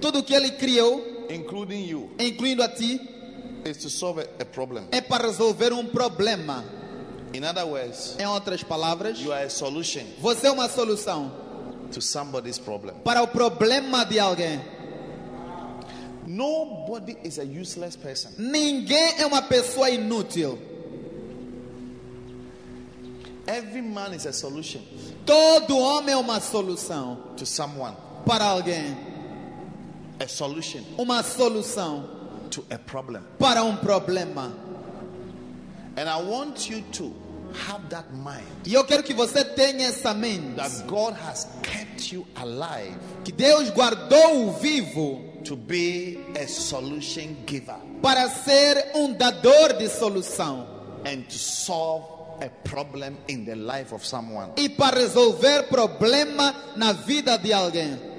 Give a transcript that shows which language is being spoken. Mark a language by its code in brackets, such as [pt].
[pt] tudo que ele criou, [en] including you, [pt] incluindo a ti, [en] is to solve a problem. [pt] É para resolver problema. [en] In other words, [pt] em outras palavras, [en] you are a solution. [pt] Você é uma solução [en] to somebody's problem. [pt] Para o problema de alguém. [en] Nobody is a useless person. [pt] Ninguém é uma pessoa inútil. [en] Every man is a solution. [pt] Todo homem é uma solução [en] to someone. [pt] Para alguém. [en] A solution. [pt] Uma solução [en] to a problem. [pt] Para problema. [en] And I want you to have that mind. [pt] E eu quero que você tenha essa mente. [en] That God has kept you alive. [pt] Que Deus guardou vivo. [en] To be a solution giver. [pt] Para ser dador de solução. [en] And to solve a problem in the life of someone. [pt] E para resolver problema na vida de alguém.